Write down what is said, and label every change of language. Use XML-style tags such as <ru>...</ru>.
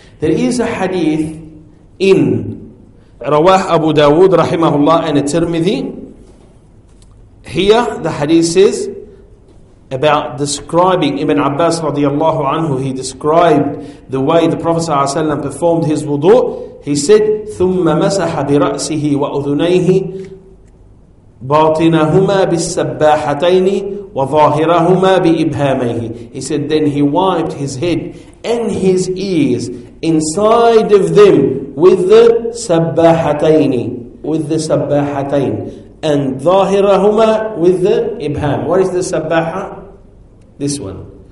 <en>There is a hadith in Rawah Abu Dawood rahimahullah and Tirmidhi. Here the hadith says, about describing Ibn Abbas radiallahu anhu, he described the way the Prophet sallallahu alaihi wasallam performed his wudu. He said,</en> <ar>ثُمَّ مَسَحَ بِرَأْسِهِ وَأُذُنَيْهِ بَاطِنَهُمَا بِالسَّبَّاحَتَيْنِ وَظَاهِرَهُمَا بِإِبْهَامَيْهِ.</ar> <en>He said, then he wiped his head and his ears inside of them with the سَبَّاحَتَيْنِ, with the سَبَّاحَتَيْنِ. And ظاهرهما with the ibham. What is the sabaha? This one.</en>